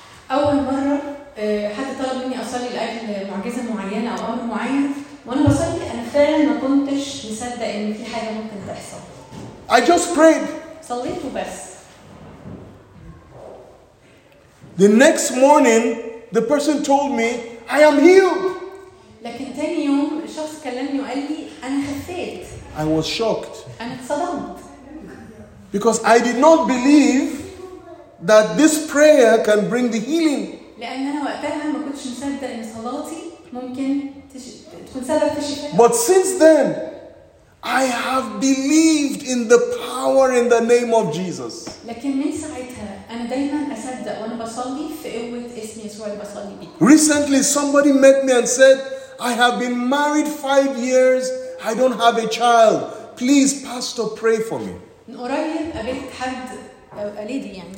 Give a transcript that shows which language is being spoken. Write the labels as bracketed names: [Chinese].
[Arabic] اول مره حد طلب مني اصلي لاجل معجزه معينه او امر معين وانا بصلي انا فعلا ما كنتش مصدق ان في حاجه ممكن تحصل. [English] I just prayed. [Arabic] صليت وبس. [English] The next morning, the person told me, I am healed. [Arabic] لكن تاني يوم شخص كلمني وقال لي انا خفيت. [English] I was shocked. [Arabic] انا اتصدمت. [English] Because I did not believe that this prayer can bring the healing. [Arabic] لان انا وقتها ما كنتش مصدق ان صلاتي ممكن تكون سبب في الشفاء. [English] But since then, I have believed in the power in the name of Jesus. [Arabic] لكن من ساعتها انا دايما اصدق وانا بصلي في قوه اسم يسوع اللي بصلي بيه. [English] Recently somebody met me and said, I have been married 5 years, I don't have a child. Please pastor pray for me. [Arabic] قريب قابلت حد قاليدي يعني.